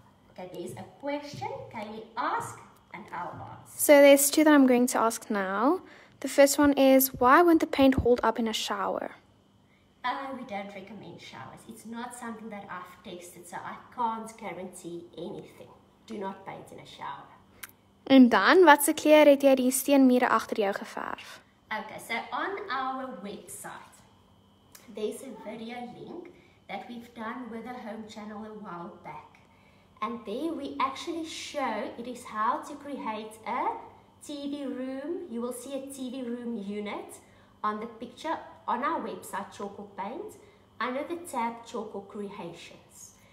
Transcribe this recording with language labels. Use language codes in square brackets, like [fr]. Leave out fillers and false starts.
[en] Okay, there's a question. Can you ask? And I'll ask. So there's two that I'm going to ask now. The first one is, why won't the paint hold up in a shower? We don't recommend showers. It's not something that I've tested, so I can't guarantee anything. Do not paint in a shower. [af] En dan, wat se kleur het jy die steenmure agter jou geverf? [en] Okay, so on our website, there's a video link that we've done with a home channel a while back. And there we actually show it is how to create a TV room. You will see a TV room unit on the picture on our website, Chalk or Paint, under the tab Chalk or Creations.